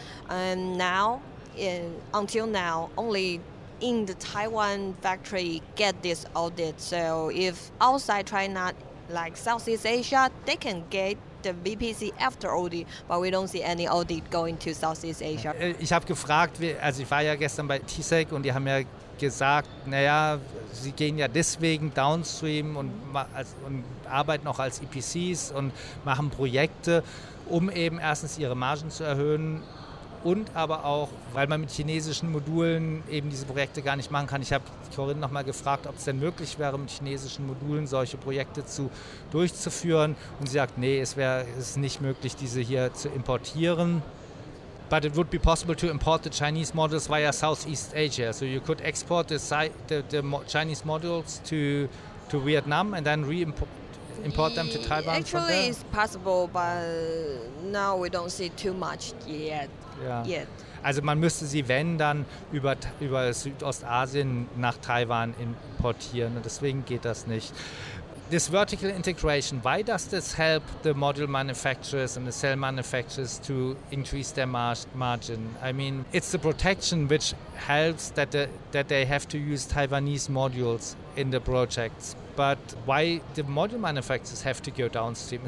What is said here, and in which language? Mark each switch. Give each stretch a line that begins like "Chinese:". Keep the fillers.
English: And now, in, until now, only in the Taiwan factory get this audit. So if outside China, like Southeast Asia, they can get the VPC after audit, but we don't see any audit going to Southeast Asia.
German: Ich habe gefragt, also ich war ja gestern bei TSEC und die haben ja gesagt, naja, sie gehen ja deswegen downstream und, und arbeiten auch als EPCs und machen Projekte, um eben erstens ihre Margen zu erhöhen und aber auch, weil man mit chinesischen Modulen eben diese Projekte gar nicht machen kann. Ich habe Corinne nochmal gefragt, ob es denn möglich wäre, mit chinesischen Modulen solche Projekte zu, durchzuführen. Und sie sagt, nee, es wäre es nicht möglich, diese hier zu importieren.
English: But it would be possible to import the Chinese models via Southeast Asia. So you could export the, the, the Chinese models to, to Vietnam and then re-import import them to Taiwan? Actually, it's possible, but now we don't see too much yet. Yeah. yet.
German: Also man müsste sie, wenn, dann über, über Südostasien nach Taiwan importieren. Und deswegen geht das nicht.
English: This vertical integration, why does this help the module manufacturers and the cell manufacturers to increase their mar margin? I mean, it's the protection which helps that, the, that they have to use Taiwanese modules in the projects but why the module manufacturers have to go downstream?